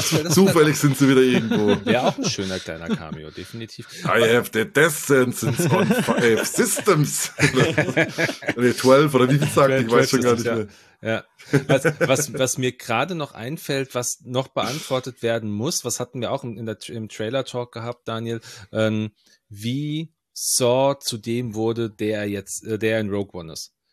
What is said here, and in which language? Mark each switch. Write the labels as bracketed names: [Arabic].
[German] Zufällig sind sie wieder irgendwo. Wäre auch ein schöner kleiner Cameo, definitiv. [English] I have the Death Sentences on 5 Systems. [German] 12 oder wie viel sagt, ich weiß schon gar nicht mehr. Ja, was mir gerade noch einfällt, was noch beantwortet werden muss, was hatten wir auch im Trailer-Talk gehabt, Daniel, wie Saw zu dem wurde, der in Rogue One ist.